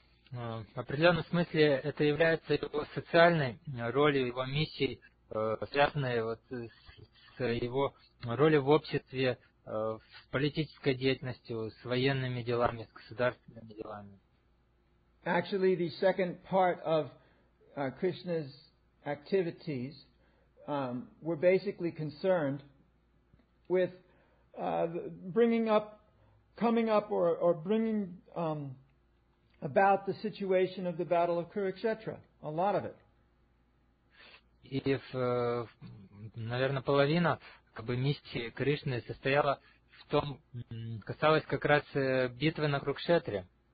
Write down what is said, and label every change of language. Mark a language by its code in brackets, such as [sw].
[ru] В определенном смысле это является его социальной ролью, его миссией, связанной вот с его ролью в обществе, с политической деятельностью, с военными делами, с государственными делами. [en] Actually, the second part of Krishna's activities were basically concerned with bringing about the situation of the Battle of Kurukshetra, a lot of it. [ru] И, наверное, половина миссии Кришны состояла в том, касалась как раз битвы на Курукшетре.